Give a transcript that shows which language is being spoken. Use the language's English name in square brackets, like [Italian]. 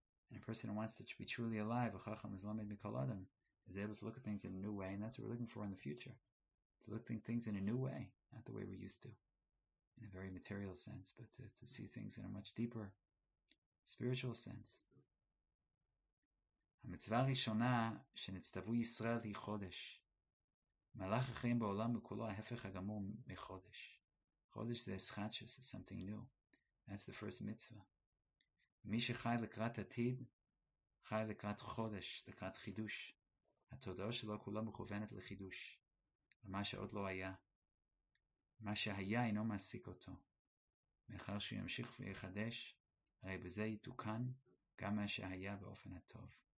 [English] And a person who wants to be truly alive, a chacham islamid mikol adam, is able to look at things in a new way, and that's what we're looking for in the future. To look at things in a new way, not the way we're used to, in a very material sense, but to see things in a much deeper spiritual sense. [Hebrew] המצווה הראשונה שנצטוו ישראל היא חודש. מהלך החיים בעולם הוא כולו ההפך הגמור מחודש. חודש זה [English] eschatus, something new. That's the first mitzvah. [Hebrew] מי שחי לקראת עתיד, חי לקראת חודש, לקראת חידוש. התודעה שלו כולה מכוונת לחידוש. למה שעוד לא היה. מה שהיה אינו מעסיק אותו. מאחר שהוא ימשיך ויחדש, הרי בזה יתוקן גם מה שהיה באופן הטוב.